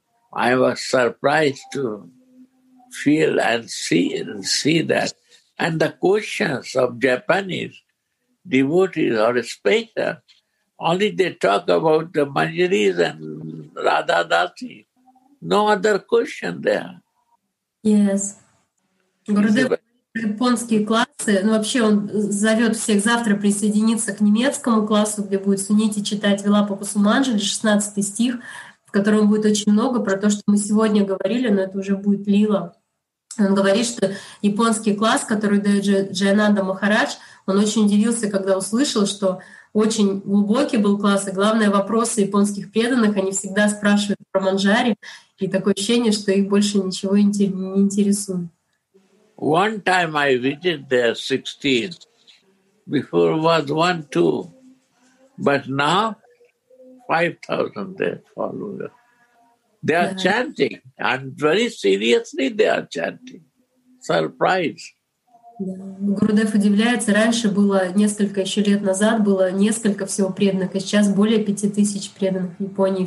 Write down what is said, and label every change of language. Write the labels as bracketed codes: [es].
[en] I was surprised to feel and see that. And the questions of Japanese devotees are special. Only they talk about the Manjaris and Radha Dasi. No other question there. Yes. [ru] Гурудев японские классы, ну вообще он зовет всех завтра присоединиться к немецкому классу, где будет Сунити читать Вилапа-Пасуманджали, 16 стих, в котором будет очень много про то, что мы сегодня говорили, но это уже будет лила. Он говорит, что японский класс, который дает Джайананда Махарадж, он очень удивился, когда услышал, что очень глубокий был класс, и главное, вопросы японских преданных, они всегда спрашивают про Манджари, и такое ощущение, что их больше ничего не интересует. [en] One time I visited there 16. Before was 1-2. But now 5,000 there followers. They are chanting, and very seriously they are chanting. Surprise. [ru] Гурудев удивляется. Раньше было несколько еще лет назад, было несколько всего преданных, а сейчас более 5,000 преданных в Японии.